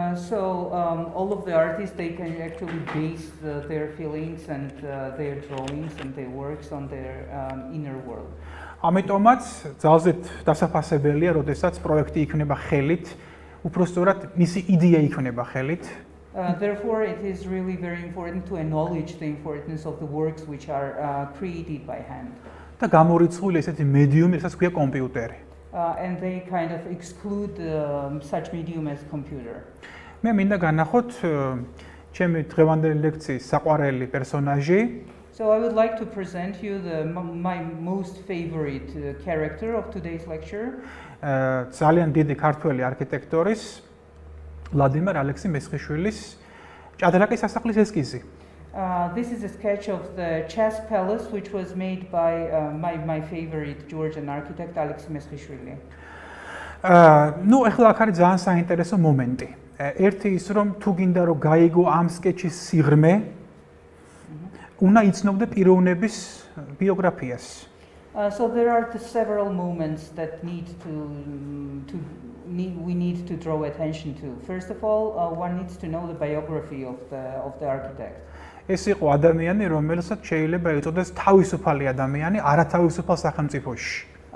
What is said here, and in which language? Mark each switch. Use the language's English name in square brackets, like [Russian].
[English] So all of the artists they can actually base their feelings and their drawings and their works on their inner world. [Georgian] ამიტომაც ძალზედ დასაფასებელია, როდესაც პროექტი იქნება ხელით, უბრალოდ მისი იდეა იქნება ხელით. [English] Therefore it is really very important to acknowledge the importance of the works which are created by hand. [Georgian] და გამორიცხული ესეთი მედიუმი, რასაც ქვია კომპიუტერი. [English] And they kind of exclude such medium as computer. [Georgian] მე მინდა განახოთ ჩემი დღევანდელი ლექციის საყვარელი პერსონაჟი. [English] So I would like to present you my most favorite character of today's lecture. [Georgian] ძალიან დიდი ქართველი არქიტექტორის ვლადიმერ ალექსი მესხიშვილის ჭადრაკის სასახლის ესკიზი. [English] This is a sketch of the chess palace which was made by my favorite Georgian architect Alexandre Chubinidze. [Georgian] Ну, ახლა აქ არის ძალიან საინტერესო მომენტი. ერთი ის რომ თუ გინდა რომ გაიგო ამ სკეჩის სიღრმე, უნდა იცნობდე პიროვნების ბიოგრაფიას. [English] So there are the several moments that we need to draw attention to. First of all, one needs to know the biography of the architect. [Georgian] ეს იყო ადამიანი, რომელსაც შეიძლება ეწოდეს თავისუფალი ადამიანი არათავისუფალ სახელმწიფოში.